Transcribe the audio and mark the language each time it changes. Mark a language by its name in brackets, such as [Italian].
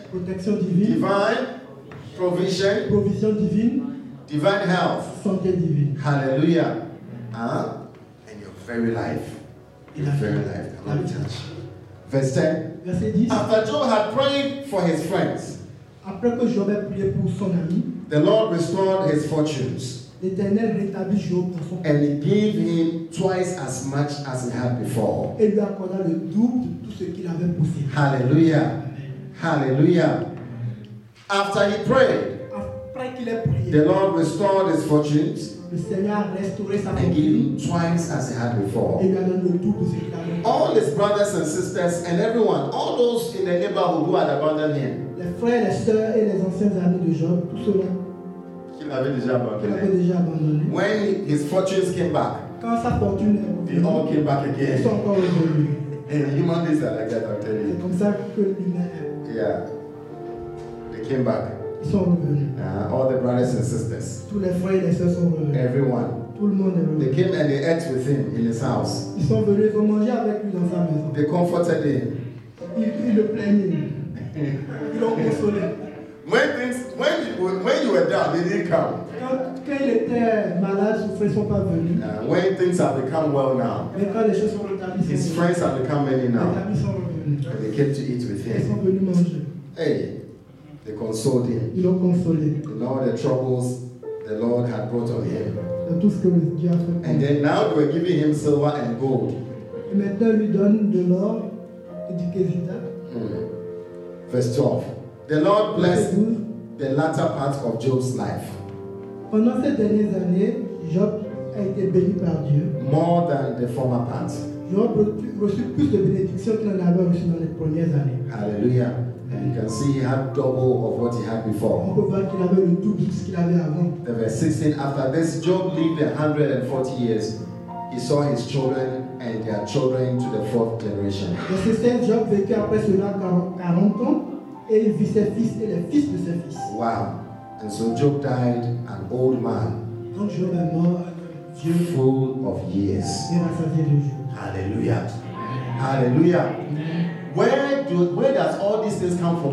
[French] Protection divine. [English] Divine provision. [French] Provision divine. [English] Divine health. [French] Santé divine. [English] Hallelujah. And your very life. Your very life. I love you. Verse 10. [French] Verset 10. [English] After Job had prayed for his friends. [French] Après que Job a prié pour son ami. [English] The Lord restored his fortunes. [French] L'Éternel rétablit Job dans son. [English] And he gave him twice as much as he had before. [French] Et lui accorda le double de tout ce qu'il avait poussé. [English] Hallelujah. Amen. Hallelujah. After he prayed. [French] Après qu'il ait prié. [English] The Lord restored his fortunes. [French] Le Seigneur a restauré sa fortune. [English] And gave him twice as he had before. [French] Et lui a donné le double de ce qu'il avait poussé. [English] All his brothers and sisters and everyone, all those in the neighborhood who had abandoned him. [French] Les frères, les sœurs et les anciens amis de Job, tout cela. Il avait déjà abandonné. [English] When his fortunes came back, [French] quand sa fortune est revenue, [English] they all came back again. [French] Ils sont encore revenus. [English] And human beings are like that, I'm telling you. [French] Comme ça que l'humain est. [English] Yeah. They came back. [French] Ils sont revenus. [English] All the brothers and sisters. [French] Tous les frères et les sœurs sont revenus. [English] Everyone. [French] Tout le monde est revenu. [English] They came and they ate with him in his house. [French] Ils sont venus pour manger avec lui dans sa maison. [English] They comforted him. [French] Ils le plaignaient. Ils l'ont consolé. [English] When you were down, they didn't come. [French] Quand il était malade, ses frères sont pas venus. [English] When things have become well now, [French] mais quand les choses sont rétablies, [English] his friends have become many now. [French] Les amis sont revenus. [English] And they came to eat with him. [French] Ils sont venus manger. [English] Hey, they consoled him. [French] Ils l'ont consolé. [English] And all the troubles the Lord had brought on him. [French] Et tout ce que Dieu a fait. [English] And then now they were giving him silver and gold. [French] Et maintenant, lui donne de l'or et du kézita. [English] Verse 12. The Lord blessed the latter part of Job's life. [French] Pendant ces dernières années, Job a été béni par Dieu. [English] More than the former part. [French] Job reçut plus de bénédictions qu'il en avait reçu dans les premières années. [English] Hallelujah. And you can see he had double of what he had before. [French] On peut voir qu'il avait le double de ce qu'il avait avant. [English] The verse 16, after this, Job lived 140 years. He saw his children and their children to the fourth generation. [French] Verset 16, Job vécut après cela 40 ans. Et il vit ses fils et les fils de ses fils. [English] Wow. And so Job died an old man. [French] Donc Job est mort vieux. [English] Full of years. [French] Et rassasié de jours. [English] Hallelujah. Hallelujah. Where does all these things come from?